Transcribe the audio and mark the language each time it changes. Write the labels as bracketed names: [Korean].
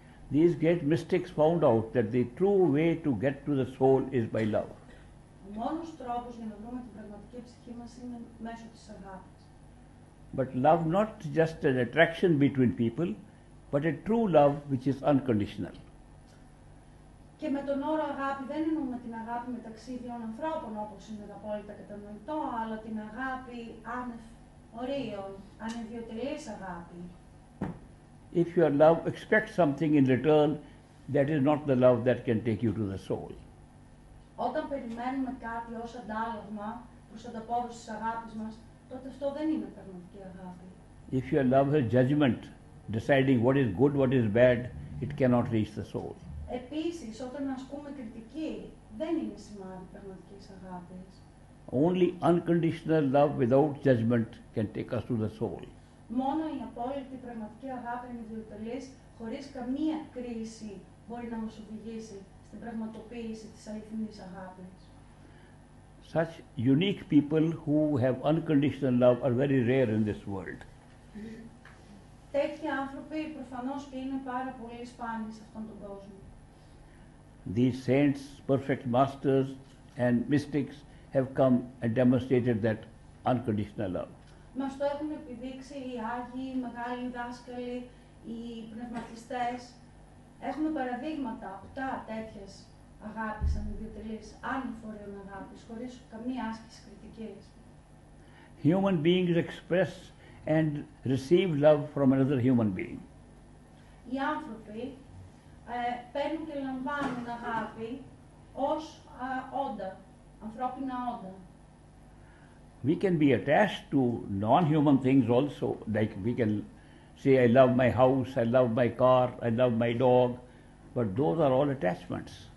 [English] These great mystics found out that the true way to get to the soul is by love. [Greek] Ο μόνος τρόπος για να βρούμε την πραγματική ψυχή μας είναι μέσω της αγάπης. [English] But love not just an attraction between people, but a true love which is unconditional. [Greek] Και με τον όρο αγάπη δεν εννοούμε την αγάπη μεταξύ δύο ανθρώπων, όπως είναι απόλυτα κατανοητό, αλλά την αγάπη άνευ ορίων, ανιδιοτελής αγάπη. [English] If your love expects something in return, that is not the love that can take you to the soul. [Greek] Όταν περιμένουμε κάτι ως αντάλλαγμα προς ανταπόδοση της αγάπης μας, τότε αυτό δεν είναι πραγματική αγάπη. [English] If your love has judgment, deciding what is good, what is bad, it cannot reach the soul. [Greek] Επίσης, όταν ασκούμε κριτική, δεν είναι σημάδι πραγματικής αγάπης. [English] Only unconditional love without judgment can take us to the soul. [Greek] Μόνο η απόλυτη πραγματική αγάπη ενιδιοτελής, χωρίς καμία κρίση, μπορεί να μας οδηγήσει στην πραγματοποίηση της αληθινής αγάπης. [English] Such unique people who have unconditional love are very rare in this world. [Greek] Τέτοιοι άνθρωποι προφανώς και είναι πάρα πολύ σπάνιοι σε αυτόν τον κόσμο. [English] These saints, perfect masters and mystics have come and demonstrated that unconditional love. [Greek] Μας το έχουν επιδείξει οι Άγιοι, οι μεγάλοι δάσκαλοι, οι πνευματιστές. Έχουμε παραδείγματα, οκτά τέτοιες αγάπης, ανιδιοτελής, άνυφορεων αγάπης, χωρίς καμία άσκηση κριτικής. [English] Human beings express and receive love from another human being. [Greek] Οι άνθρωποι παίρνουν και λαμβάνουν αγάπη ως όντα, ανθρώπινα όντα. [English] We can be attached to non-human things also, like we can say, I love my house, I love my car, I love my dog, but those are all attachments.